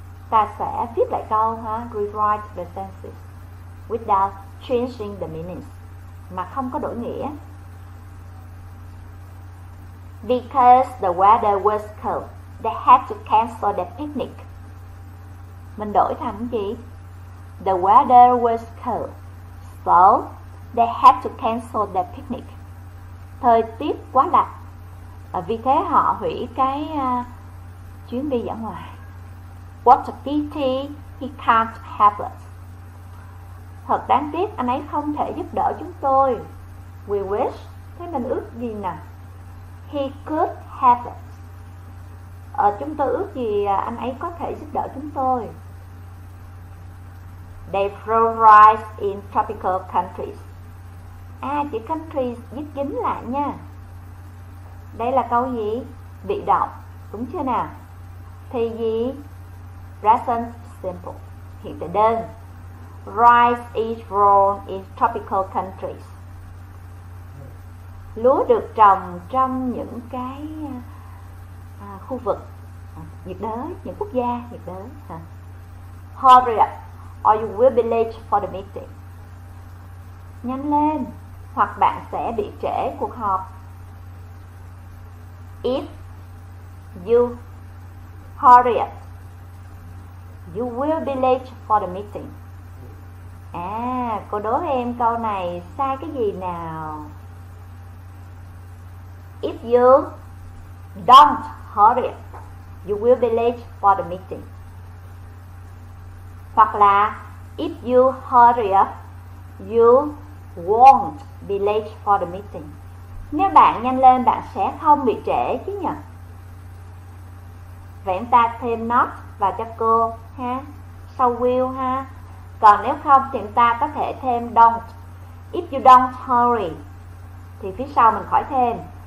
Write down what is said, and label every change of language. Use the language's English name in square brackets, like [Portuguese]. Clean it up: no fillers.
[Vietnamese] Ta sẽ viết lại câu ha, [English] rewrite the sentences without changing the meanings, [Vietnamese] mà không có đổi nghĩa. [English] Because the weather was cold, they had to cancel the picnic. [Vietnamese] Mình đổi thành gì? [English] The weather was cold, so they had to cancel the picnic. [Vietnamese] Thời tiết quá lạnh, vì thế họ hủy cái chuyến đi dã ngoại. [English] What a pity he can't help us. [Vietnamese] Thật đáng tiếc anh ấy không thể giúp đỡ chúng tôi. [English] We wish. [Vietnamese] Thế mình ước gì nè? [English] He could help us. [Vietnamese] Chúng tôi ước gì anh ấy có thể giúp đỡ chúng tôi. [English] They fluoride in tropical countries. [Vietnamese] À, chữ countries dịch dính lại nha. Đây là câu gì? Bị động, đúng chưa nào? Thì gì? Present simple, hiện tại đơn. [English] Rice is grown in tropical countries. [Vietnamese] Lúa được trồng trong những cái khu vực nhiệt đới, những quốc gia nhiệt đới. [English] Hurry up, or you will be late for the meeting. [Vietnamese] Nhanh lên, hoặc bạn sẽ bị trễ cuộc họp. [English] If you hurry up, you will be late for the meeting. [Vietnamese] À, cô đố em câu này sai cái gì nào? [English] If you don't hurry, you will be late for the meeting. [Vietnamese] Hoặc là [English] if you hurry up, you won't be late for the meeting. [Vietnamese] Nếu bạn nhanh lên, bạn sẽ không bị trễ chứ nhỉ? Vậy chúng ta thêm not vào cho cô ha, sau will ha. Còn nếu không thì ta có thể thêm don't. [English] If you don't hurry [Vietnamese] thì phía sau mình khỏi thêm.